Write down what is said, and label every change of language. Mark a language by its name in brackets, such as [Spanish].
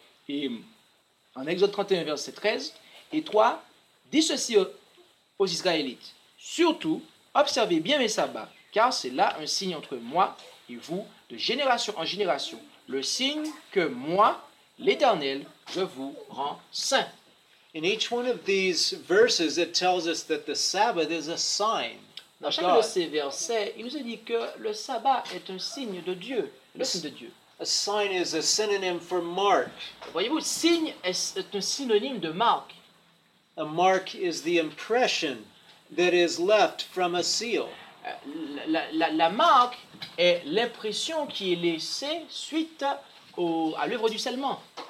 [French] Et en Exode 31, verset 13, et toi, dis ceci aux Israélites, surtout, observez bien mes sabbats, car c'est là un signe entre moi et vous, de génération en génération, le signe que moi, l'Éternel, je vous rends saint. [English] In each one of these verses, it tells us that the Sabbath is a sign. [French] Dans chacun de ces versets, il nous a dit que le sabbat est un signe de Dieu. Le signe de Dieu. [English] A sign is a synonym for mark. [French] Voyez-vous, signe est un synonyme de marque. [English] A mark is the impression that is left from a seal. [French] La marque est l'impression qui est laissée suite à l'œuvre du scellement.